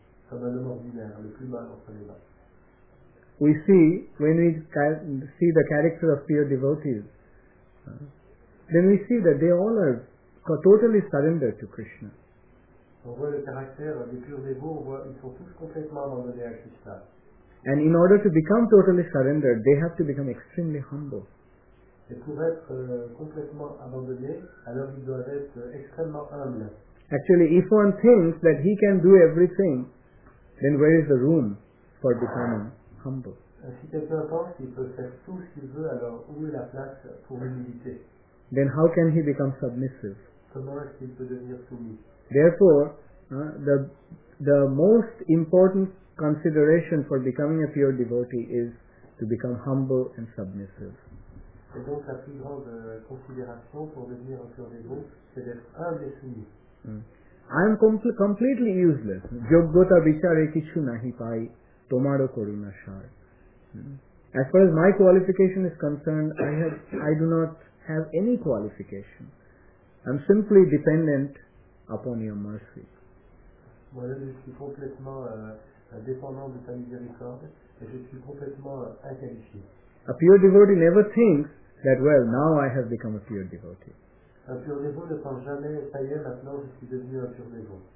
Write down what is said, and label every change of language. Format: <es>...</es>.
<fr>Comme un homme ordinaire, le plus bas entre les bas.</fr> <en>We see, when we see the character of pure devotees, then we see that they all are totally surrendered to Krishna.</en> <fr>On voit le caractère des purs dévots, on voit qu'ils sont tous complètement abandonnés à Krishna.</fr> <en>And in order to become totally surrendered, they have to become extremely humble.</en> <fr>Et pour être complètement abandonné, alors ils doivent être extrêmement humbles.</fr> <en>Actually, if one thinks that he can do everything, then where is the room for becoming humble?</en> <fr>Si quelqu'un pense qu'il peut faire tout ce qu'il veut, alors où est la place pour l'humilité?</fr> <en>Then how can he become submissive?</en> <fr>Comment est-ce qu'il peut devenir soumis?</fr> <en>Therefore, the most important consideration for becoming a pure devotee is to become humble and submissive.</en> <fr>Et donc la plus grande considération pour devenir un pur dévot, c'est d'être humble et soumis.</fr> <en>I am completely useless.</en> <bn>Yogyota vichare kichu nahi pai. Tomaro Koruna Shar.</bn> <en>As far as my qualification is concerned, I do not have any qualification. I'm simply dependent upon your mercy.</en> <fr>Voilà, je suis complètement dépendant de ta miséricorde et je suis complètement inqualifié.</fr> <en>A pure devotee never thinks that, well, now I have become a pure devotee.</en> <fr>Un pur dévot ne pense jamais, ça y est, maintenant je suis devenu un pur dévot.</fr>